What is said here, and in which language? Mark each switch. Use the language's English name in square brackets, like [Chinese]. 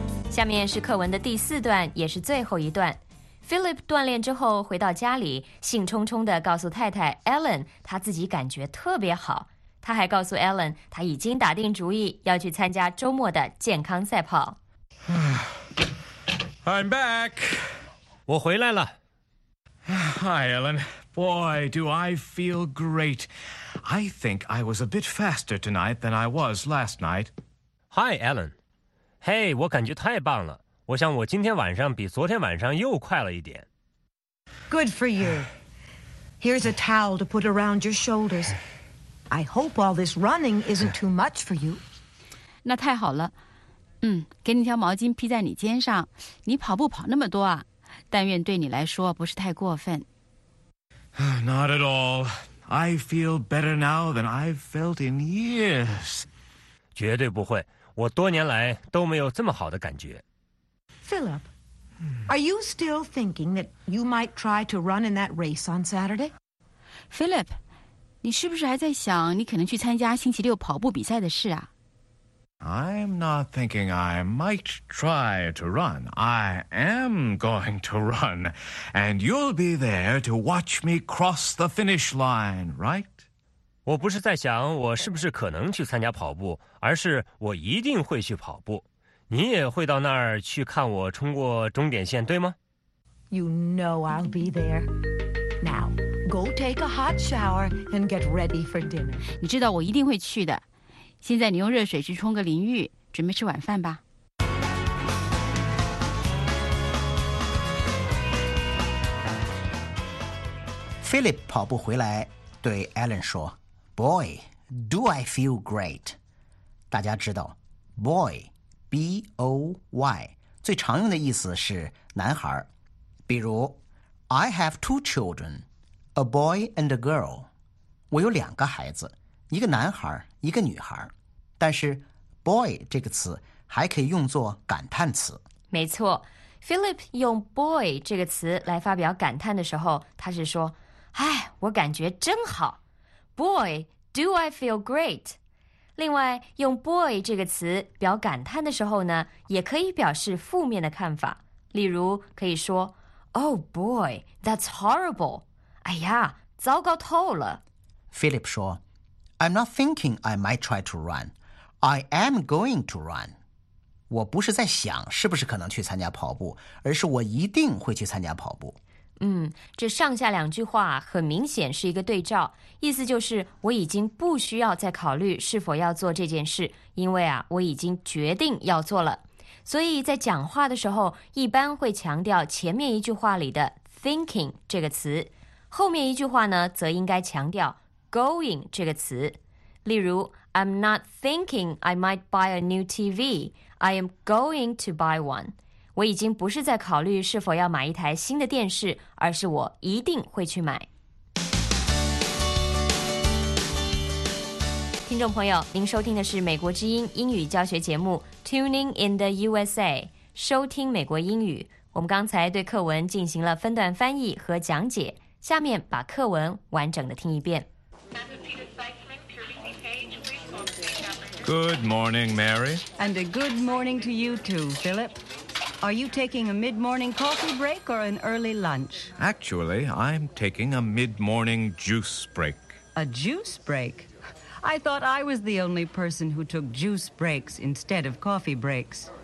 [Chinese] 下面是课文的第四段，也是最后一段。Philip 锻炼之后回到家里，兴冲冲地告诉太太 Ellen 他自己感觉特别好。他还告诉 Ellen 他已经打定主意要去参加周末的健康赛跑。 [English] I'm back， [Chinese] 我回来了。 [English] Hi Ellen， boy do I feel great， I think I was a bit faster tonight than I was last night。 Hi Ellen。 [Chinese] 嘿、hey, 我感觉太棒了，我想我今天晚上比昨天晚上又快了一点。 [English] Good for you. Here's a towel to put around your shoulders. I hope all this running isn't too much for you. [Chinese] 那太好了，嗯，给你条毛巾披在你肩上，你跑步跑那么多啊，但愿对你来说不是太过分。 [English] Not at all. I feel better now than I've felt in years. [Chinese] 绝对不会，我多年来都没有这么好的感觉。 [English] Philip, are you still thinking that you might try to run in that race on Saturday? [Chinese] Philip, 你是不是还在想你可能去参加星期六跑步比赛的事啊？ [English] I'm not thinking I might try to run. I am going to run. And you'll be there to watch me cross the finish line, right? [Chinese] 我不是在想我是不是可能去参加跑步，而是我一定会去跑步。你也会到那儿去看我冲过终点线，对吗？ [English] You know I'll be there. Now, go take a hot shower and get ready for dinner. [Chinese] 你知道我一定会去的。现在你用热水去冲个淋浴，准备吃晚饭吧。 Philip 跑步回来对 Alan 说， [English] Boy, do I feel great? [Chinese] 大家知道 boy, B-O-Y, 最常用的意思是男孩。 [English] 比如 I have two children, a boy and a girl. [Chinese] 我有两个孩子，一个男孩，一个女孩。但是 boy 这个词还可以用作感叹词。没错， Philip 用 boy 这个词来发表感叹的时候，他是说，哎，我感觉真好。 [English] Boy, do I feel great? [Chinese] 另外，用 boy 这个词表感叹的时候呢，也可以表示负面的看法。例如，可以说 [English] Oh boy, that's horrible. [Chinese] 哎呀，糟糕透了。 [English] Philip 说 I'm not thinking I might try to run. I am going to run. [Chinese] 我不是在想是不是可能去参加跑步，而是我一定会去参加跑步。嗯，这上下两句话很明显是一个对照，意思就是我已经不需要再考虑是否要做这件事，因为啊，我已经决定要做了。所以在讲话的时候，一般会强调前面一句话里的 thinking 这个词，后面一句话呢，则应该强调 going 这个词。 [English] 例如 I'm not thinking I might buy a new TV. I am going to buy one. [Chinese] 我已经不是在考虑是否要买一台新的电视，而是我一定会去买。听众朋友，您收听的是美国之音英语教学节目 Tuning in the USA， 收听美国英语。我们刚才对课文进行了分段翻译和讲解，下面把课文完整的听一遍。 [English] Good morning, Mary. And a good morning to you too, Philip. Are you taking a mid-morning coffee break or an early lunch? Actually, I'm taking a mid-morning juice break. A juice break? I thought I was the only person who took juice breaks instead of coffee breaks.